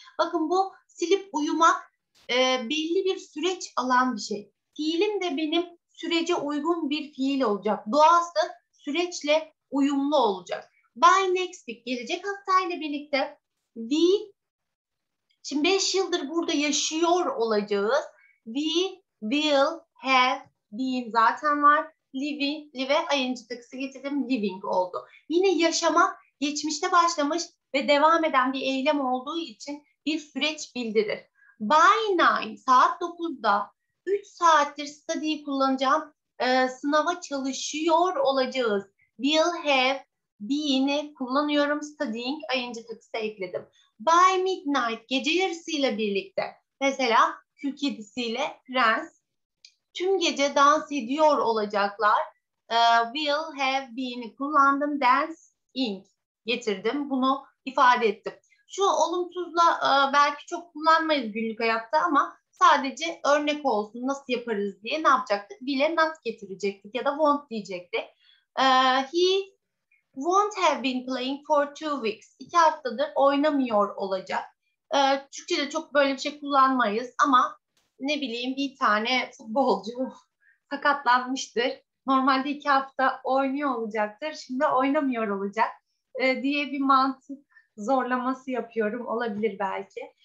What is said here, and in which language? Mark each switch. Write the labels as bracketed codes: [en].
[tr] Bakın bu sleep uyumak belli bir süreç alan bir şey. Fiilim de benim sürece uygun bir fiil olacak. Doğası süreçle uyumlu olacak. [en] By next week, [tr] gelecek haftayla birlikte will, şimdi 5 yıldır burada yaşıyor olacağız. [en] We will have been [tr] zaten var. Living, live ing takısı getirdim. Living oldu. Yine yaşamak geçmişte başlamış ve devam eden bir eylem olduğu için bir süreç bildirir. By 9, saat 9'da 3 saattir study'yi kullanacağım. Sınava çalışıyor olacağız. Will have been'i kullanıyorum. Studying ing takısı ekledim. [en] By midnight, [tr] gece yarısıyla birlikte, mesela kül kedisiyle prens, tüm gece dans ediyor olacaklar. Will have been'i kullandım. Dancing getirdim. Bunu ifade ettim. Şu olumsuzla belki çok kullanmayız günlük hayatta ama sadece örnek olsun, nasıl yaparız diye ne yapacaktık? Will'e not getirecektik ya da won't diyecektik. [en] He won't have been playing for 2 weeks. [tr] 2 haftadır oynamıyor olacak. Türkçe'de çok böyle bir şey kullanmayız ama ne bileyim, bir tane futbolcu sakatlanmıştır. Normalde 2 hafta oynuyor olacaktır. Şimdi oynamıyor olacak diye bir mantık zorlaması yapıyorum. Olabilir belki.